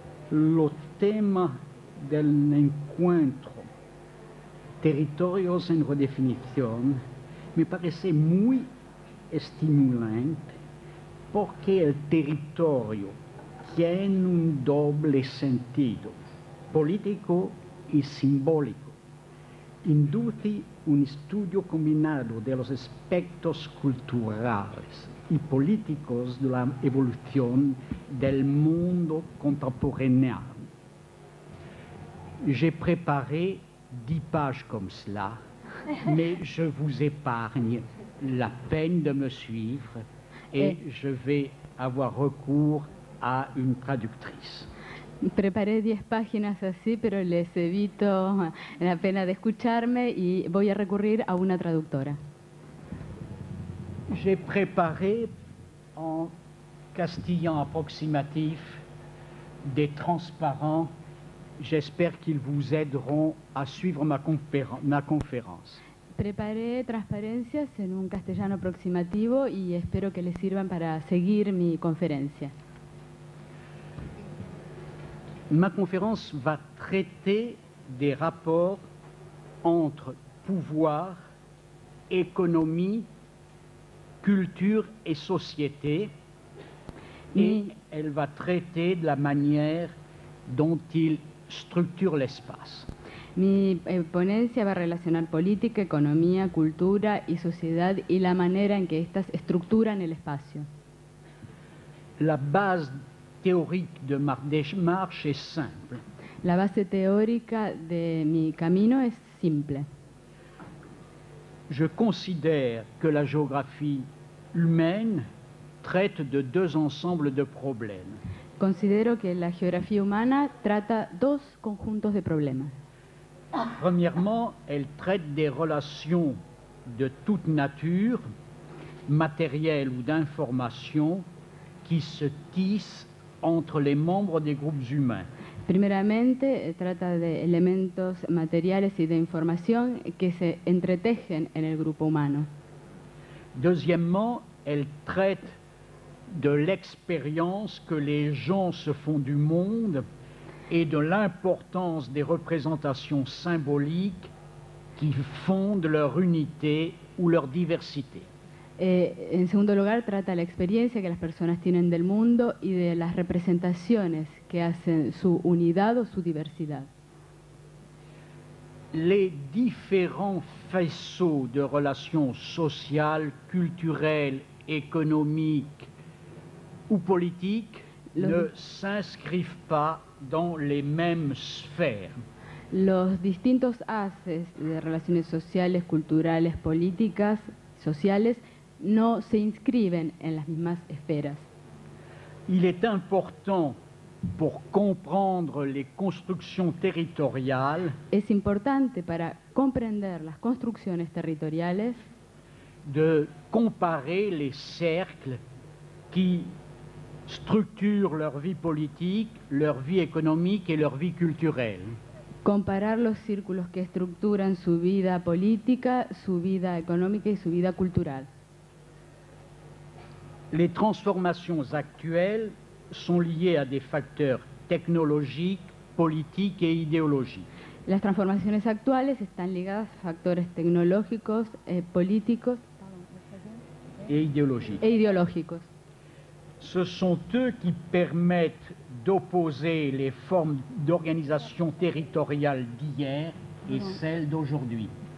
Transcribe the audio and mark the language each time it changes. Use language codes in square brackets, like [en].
[es] Lo tema del encuentro, territorios en redefinición, me parece muy estimulante porque el territorio tiene un doble sentido, político y simbólico. Induce un estudio combinado de los aspectos culturales y políticos de la evolución del mundo contemporáneo. [fr] J'ai préparé 10 pages comme cela, mais je vous épargne la peine de me suivre et je vais avoir recours [es] a una [fr] traductrice. [es] Preparé 10 páginas así, pero les evito la pena de escucharme y voy a recurrir a una traductora. [fr] J'ai préparé en castillan approximatif des transparents. J'espère qu'ils vous aideront à suivre ma conférence. [es] Preparé transparencias en un castellano aproximativo y espero que les sirvan para seguir mi conferencia. [fr] Ma conférence va traiter des rapports entre pouvoir, économie, culture et société, et elle va traiter de la manière dont ils structurent l'espace. [es] Mi ponencia va a relacionar política, economía, cultura y sociedad y la manera en que estas estructuran el espacio. [fr] La base théorique de ma démarche est simple. [es] La base teórica de mi camino es simple. [fr] Je considère que la géographie humaine traite de deux ensembles de problèmes. [es] Considero que la geografía humana trata dos conjuntos de problemas. [fr] Premièrement, elle traite des relations de toute nature, matérielles ou d'information, qui se tissent entre les membres des groupes humains. [es] Primeramente, trata de elementos materiales y de información que se entretejen en el grupo humano. [fr] Deuxièmement, elle traite de l'expérience que les gens se font du monde et de l'importance des représentations symboliques qui fondent leur unité ou leur diversité. [es] En segundo lugar, trata la experiencia que las personas tienen del mundo y de las representaciones que hacen su unidad o su diversidad. [fr] Les différents faisceaux de relations sociales, culturelles, économiques ou politiques ne s'inscrivent pas dans les mêmes sphères. [es] Los distintos haces de relaciones sociales, culturales, políticas, sociales no se inscriben en las mismas esferas. [fr] Il est important pour comprendre les constructions territoriales. [es] Es importante para comprender las construcciones territoriales. [fr] De comparer les cercles qui structurent leur vie politique, leur vie économique et leur vie culturelle. [es] Comparar los círculos que estructuran su vida política, su vida económica y su vida cultural. [fr] Les transformations actuelles sont liées à des facteurs technologiques, politiques et idéologiques. [es] Las transformaciones actuales están ligadas a factores tecnológicos, políticos [fr] et idéologiques. Ce sont eux qui permettent d'opposer les formes d'organisation territoriale d'hier et celles d'aujourd'hui.